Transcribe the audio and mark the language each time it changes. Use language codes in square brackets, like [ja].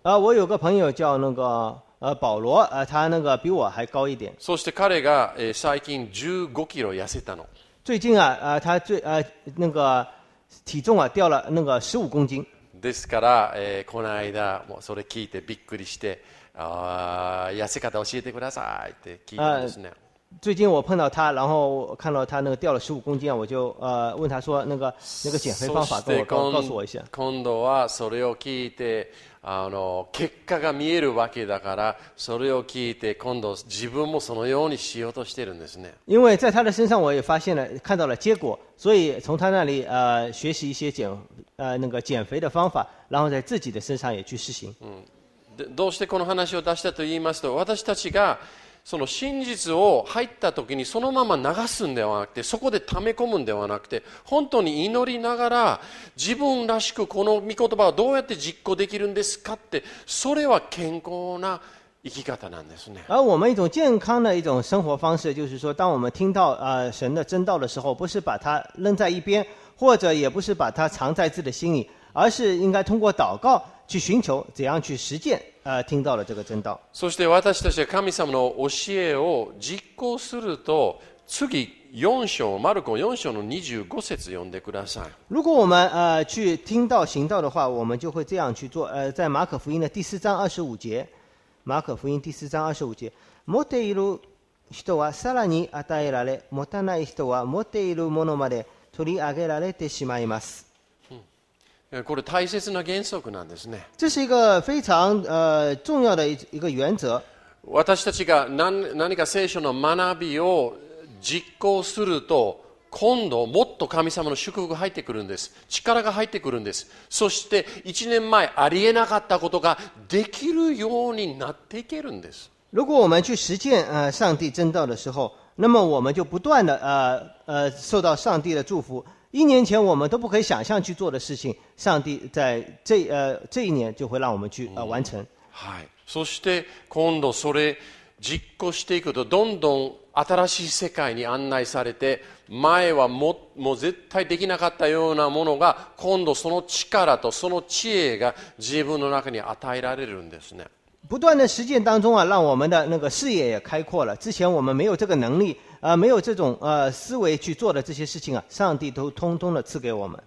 [zh] 我有个朋友叫那个保罗他那个比我还高一点 [ja] そして彼が最近15キロ痩せたの [zh] 最近啊他最那个体重啊掉了那个15公斤 [ja] ですから、この間もそれ聞いてびっくりして痩せ方教えてくださいって聞いたんですね [zh] 最近我碰到他然后看到他那个掉了15公斤我就问他说那个减肥方法告诉我一下 [ja] 今度はそれを聞いて結果が見えるわけだからそれを聞いて今度自分もそのようにしようとしてるんですね [zh] 因为在他的身上我也发现了看到了结果所以从他那里学习一些减肥那个减肥的方法，然后在自己的身上也去实行。 [ja] どうしてこの話を出したと言いますと、私たちがその真実を入った時にそのまま流すんではなくて、そこで溜め込むんではなくて、本当に祈りながら自分らしくこの御言葉をどうやって実行できるんですかって、それは健康な生き方なんですね。 [zh] 而我们一种健康的一种生活方式，就是说，当我们听到神的真道的时候，不是把它扔在一边，或者也不是把它藏在自己的心里，而是应该通过祷告去寻求怎样去实践。听到了这个真道。 [ja] そして私たちは神様の教えを実行すると、次4章マルコ4章の25節読んでください。 [zh] 如果我们去听道行道的话，我们就会这样去做。在马可福音的第四章二十五节，马可福音第四章二十五节， [ja] 持っている人はさらに与えられ、持たない人は持っているものまで取り上げられてしまいます。これ大切な原則なんですね。 [zh] 这是一个非常重要的一个原则。 [ja] 私たちが 何か聖書の学びを実行すると、今度もっと神様の祝福が入ってくるんです。力が入ってくるんです。そして1年前ありえなかったことができるようになっていけるんです。 [zh] 如果我们去实践上帝真道的时候，那么我们就不断的受到上帝的祝福。一年前我们都不可以想象去做的事情，上帝在 这一年就会让我们去完成。 [ja] はい。そして今度それ実行していくと、どんどん新しい世界に案内されて、前は もう絶対できなかったようなものが、今度その力とその知恵が自分の中に与えられるんですね。 [zh] 不断的实践当中啊，让我们的那个视野也开阔了。之前我们没有这个能力，没有这种思维去做的这些事情啊，上帝都通通的赐给我们。